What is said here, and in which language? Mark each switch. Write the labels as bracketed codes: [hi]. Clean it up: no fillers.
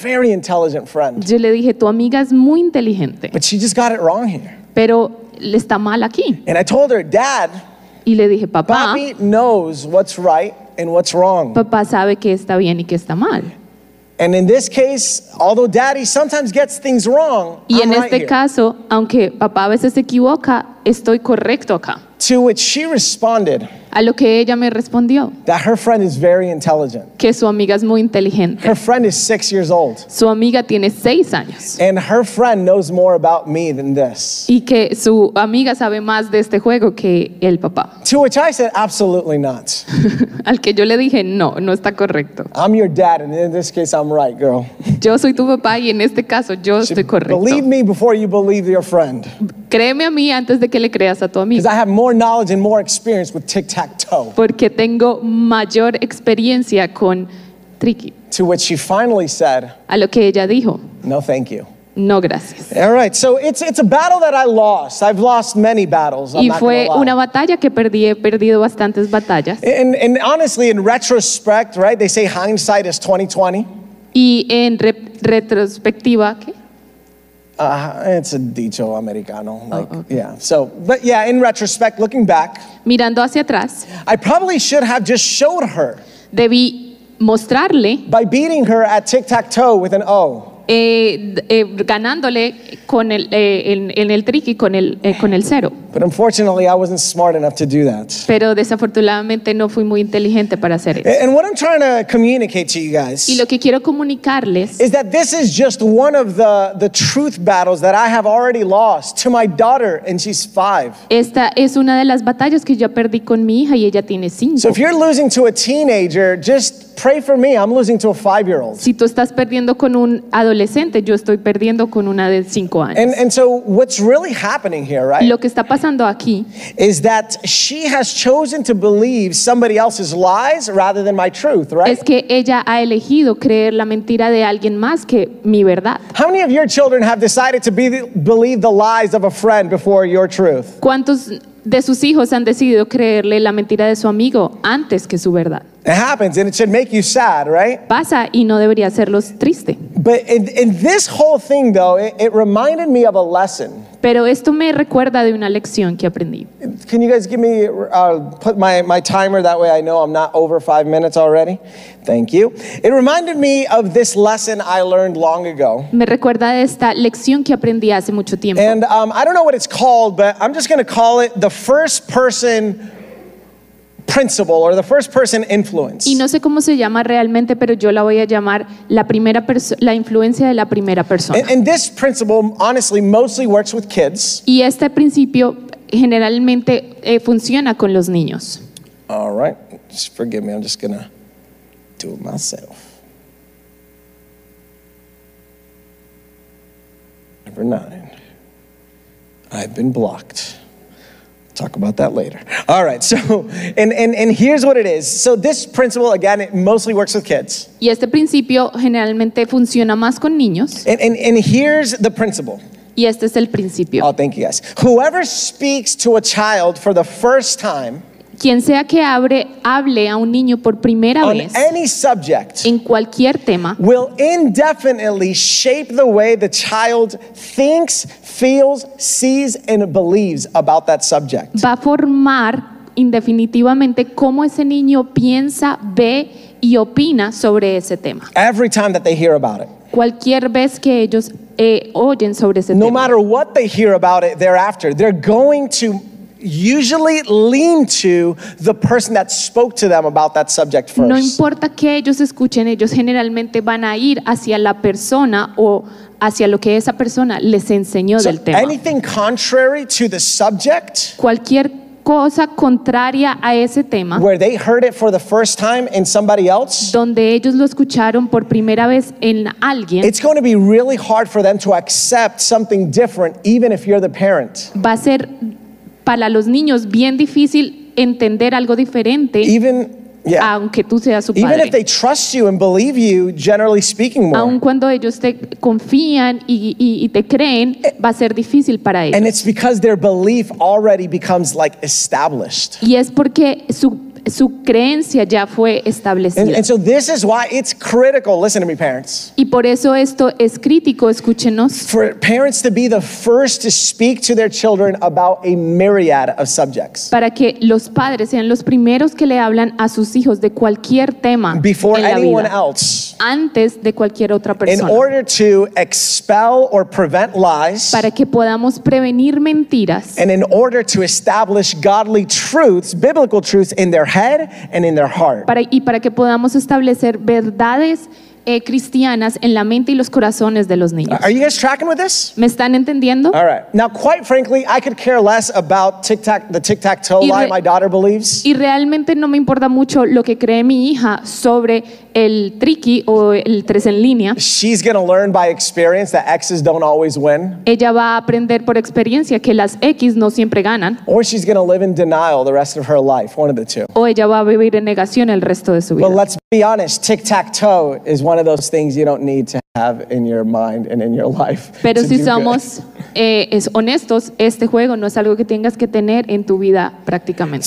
[en] Very intelligent friend. [es] Yo le dije, tu amiga es muy inteligente. [en] But she just got it wrong here. [es] Pero le está mal aquí. [en] And I told her, Dad, [es] y le dije, papá, [en] Papi knows what's right and what's wrong. [es] Papá sabe que está bien y que está mal. [en] And in this case, although Daddy sometimes gets things wrong, [es] y en [en] I'm [es] este [en] right [es] caso, [en] here. [es] Aunque papá a veces se equivoca, estoy correcto acá. [en] To which she responded, [es] a lo que ella me respondió, [en] that her friend is very intelligent. [es] Que su amiga es muy inteligente. [en] Her friend is 6 years old. [es] Su amiga tiene 6 años. [en] And her friend knows more about me than this. [es] Y que su amiga sabe más de este juego que el papá. [en] To which I said, absolutely not. [es] Al que yo le dije, no, no está correcto. [en] I'm your dad, and in this case, I'm right, girl. [es] Yo soy tu papá, y en este caso, yo estoy correcto. [en] Believe me before you believe your friend. [es] Créeme a mí antes de que le creas a tu amiga. [en] Because I have more knowledge and more experience with tic-tac-toe. [es] Porque tengo mayor experiencia con tricky. [en] To which she finally said, [es] a lo que ella dijo, [en] no, thank you. [es] No, gracias. [en] All right, so it's a battle that I lost. I've lost many battles. [es] Y fue una batalla que perdí. He perdido bastantes batallas. [en] And honestly, in retrospect, right? They say hindsight is 20/20. [es] Y en retrospectiva, ¿qué? [en] It's a [es] dicho americano. [en] Yeah. So, but yeah, in retrospect, looking back, [es] mirando hacia atrás, [en] I probably should have just showed her. [es] Debí mostrarle. [en] By beating her at tic-tac-toe with an O. [es] Ganándole con el en el triqui con el cero. [en] But unfortunately, I wasn't smart enough to do that. [es] Pero desafortunadamente no fui muy inteligente para hacer eso. [en] And what I'm trying to communicate to you guys. [es] Y lo que quiero comunicarles [en] is that this is just one of the truth battles that I have already lost to my daughter, and she's 5. [es] Esta es una de las batallas que yo perdí con mi hija y ella tiene 5. [en] So if you're losing to a teenager, just pray for me. I'm losing to a 5-year-old. [es] Si tú estás perdiendo con un adolescente, yo estoy perdiendo con una de 5 años. [en] And so what's really happening here, right? [es] Lo que está pasando aquí [en] is that she has chosen to believe somebody else's lies rather than my truth, right? [es] Es que ella ha elegido creer la mentira de alguien más que mi verdad. [en] How many of your children have decided to believe the lies of a friend before your truth? [es] ¿Cuántos de sus hijos han decidido creerle la mentira de su amigo antes que su verdad? [en] It happens, and it should make you sad, right? [es] Pasa y no debería hacerlos triste. [en] But in this whole thing, though, it reminded me of a lesson. [es] Pero esto me recuerda de una lección que aprendí. [en] Can you guys give me put my timer that way I know I'm not over 5 minutes already? Thank you. It reminded me of this lesson I learned long ago. [es] Me recuerda de esta lección que aprendí hace mucho tiempo. [en] And I don't know what it's called, but I'm just going to call it the first person principle or the first person influence. [es] Y no sé cómo se llama realmente, pero yo la voy a llamar la influencia de la primera persona. [en] And this principle honestly mostly works with kids. [es] Y este principio generalmente funciona con los niños. [en] All right. Just forgive me. I'm just going to do it myself. Number 9. I've been blocked. Talk about that later. All right, so, and here's what it is. So this principle, again, it mostly works with kids. [es] Y este principio generalmente funciona más con niños. [en] And here's the principle. [es] Y este es el principio. [en] Oh, thank you, guys. Whoever speaks to a child for the first time, [es] quien sea que hable a un niño por primera vez, [en] on any subject, [es] en cualquier tema, [en] will indefinitely shape the way the child thinks, feels, sees, and believes about that subject. [es] Va a formar indefinitivamente cómo ese niño piensa, ve y opina sobre ese tema. [en] Every time that they hear about it. [es] Cualquier vez que ellos oyen sobre ese no tema. [en] No matter what they hear about it thereafter, they're going to usually lean to the person that spoke to them about that subject first. [es] No importa qué ellos escuchen, ellos generalmente van a ir hacia la persona o hacia lo que esa persona les enseñó [en] so [es] del tema. [en] Anything contrary to the subject, [es] cualquier cosa contraria a ese tema, [en] where they heard it for the first time in somebody else, [es] donde ellos lo escucharon por primera vez en alguien, [en] it's going to be really hard for them to accept something different, even if you're the parent. [es] Va a ser para los niños bien difícil entender algo diferente. [en] Even, yeah. [es] Aunque tú seas su padre. [en] Even if they trust you and believe you, generally speaking, more. [es] Aun cuando ellos te confían y te creen, va a ser difícil para ellos. [en] And it's because their belief already becomes like established. [es] Y es porque su creencia ya fue establecida. [en] And so this is why it's critical. Listen to me, parents. [es] Y por eso esto es crítico. Escúchenos. [en] For parents to be the first to speak to their children about a myriad of subjects. [es] Para que los padres sean los primeros que le hablan a sus hijos de cualquier tema. [en] Before [es] en la [en] anyone [es] vida. [en] Else. [es] Antes de cualquier otra persona. [en] In order to expel or prevent lies. [es] Para que podamos prevenir mentiras. [en] And in order to establish godly truths, biblical truths in their head and in their heart. [es] Y para que podamos establecer verdades cristianas en la mente y los corazones de los niños. [en] Are you guys tracking with this? [es] ¿Me están entendiendo? [en] All right. Now, quite frankly, I could care less about the tic-tac-toe lie my daughter believes. [es] Y realmente no me importa mucho lo que cree mi hija sobre el triqui o el tres en línea. [en] She's going to learn by experience that X's don't always win. [es] Ella va a aprender por experiencia que las X no siempre ganan. [en] Or she's going to live in denial the rest of her life, one of the two. [es] O ella va a vivir en negación el resto de su vida. [en] But let's be honest, tic-tac-toe is one of those things you don't need to have in your mind and in your life. [es] Pero si somos honestos, este juego no es algo que tengas que tener en tu vida prácticamente.